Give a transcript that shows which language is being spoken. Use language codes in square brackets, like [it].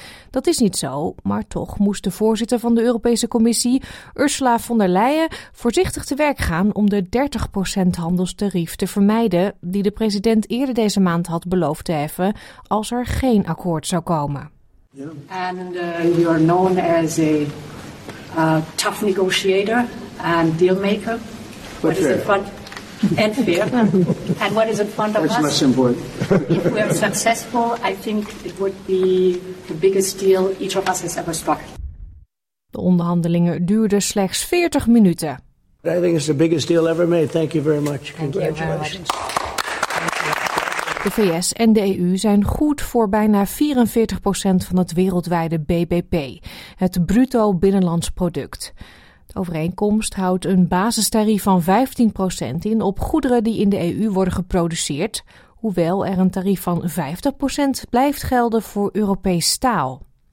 [nl] Dat is niet zo, maar toch moest de voorzitter van de Europese Commissie, Ursula von der Leyen, voorzichtig te werk gaan om de 30% handelstarief te vermijden die de president eerder deze maand had beloofd te heffen als er geen akkoord zou komen. [en] And you are known as a tough negotiator and dealmaker. What is it fun? And fair. And what is in front of us? What's less important? If we are successful, I think it would be the biggest deal each of us has ever struck. [nl] De onderhandelingen duurden slechts 40 minuten. [en] I think it's the biggest deal ever made. Thank you very much. Congratulations. Thank you very much. [nl] De VS en de EU zijn goed voor bijna 44% van het wereldwijde BBP, het bruto binnenlands product. De overeenkomst houdt een basistarief van 15% in op goederen die in de EU worden geproduceerd, hoewel er een tarief van 50% blijft gelden voor Europees staal.